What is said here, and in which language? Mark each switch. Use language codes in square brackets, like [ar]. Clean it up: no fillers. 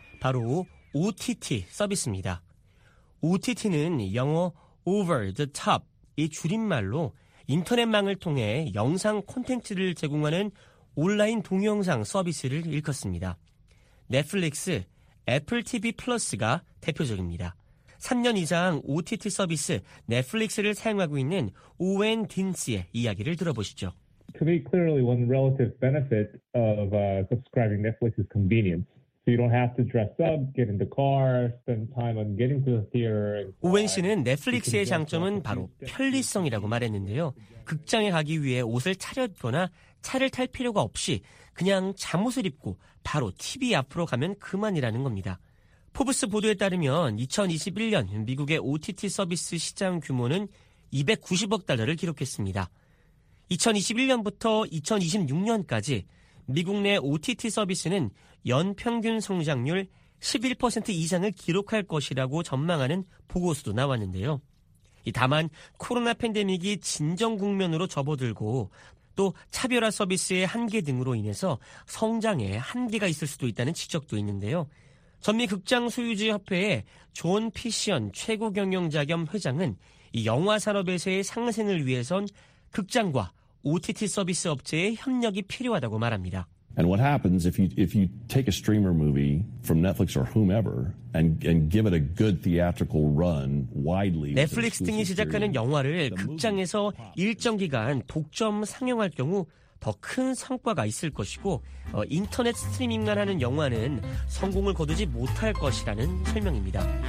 [ko] 바로 OTT 서비스입니다. OTT는 영어 Over the Top의 줄임말로 인터넷망을 통해 영상 콘텐츠를 제공하는 온라인 동영상 서비스를 일컫습니다. 넷플릭스, 애플 TV 플러스가 대표적입니다. 3년 이상 OTT 서비스 넷플릭스를 사용하고 있는 오웬 딘스의 이야기를 들어보시죠. [en] To me, clearly one relative benefit of subscribing Netflix is convenience. So you don't have to dress up, get in the car, spend time on getting to the theater. [ko] 오웬 씨는 넷플릭스의 장점은 바로 편리성이라고 말했는데요. 극장에 가기 위해 옷을 차렸거나 차를 탈 필요가 없이 그냥 잠옷을 입고 바로 TV 앞으로 가면 그만이라는 겁니다. 포브스 보도에 따르면 2021년 미국의 OTT 서비스 시장 규모는 290억 달러를 기록했습니다. 2021년부터 2026년까지 미국 내 OTT 서비스는 연 평균 성장률 11% 이상을 기록할 것이라고 전망하는 보고서도 나왔는데요. 다만 코로나 팬데믹이 진정 국면으로 접어들고 또 차별화 서비스의 한계 등으로 인해서 성장에 한계가 있을 수도 있다는 지적도 있는데요. 전미 극장 소유주 협회의 존 피션 최고 경영자 겸 회장은 이 영화 산업에서의 상승을 위해선 극장과 OTT 서비스 업체의 협력이 필요하다고 말합니다. [en] And what happens if you take a streamer movie from Netflix or whomever and give it a good theatrical run widely? [ko] 넷플릭스 등이 제작하는 영화를 극장에서 일정 기간 독점 상영할 경우 더 큰 성과가 있을 것이고 인터넷 스트리밍만 하는 영화는 성공을 거두지 못할 것이라는 설명입니다.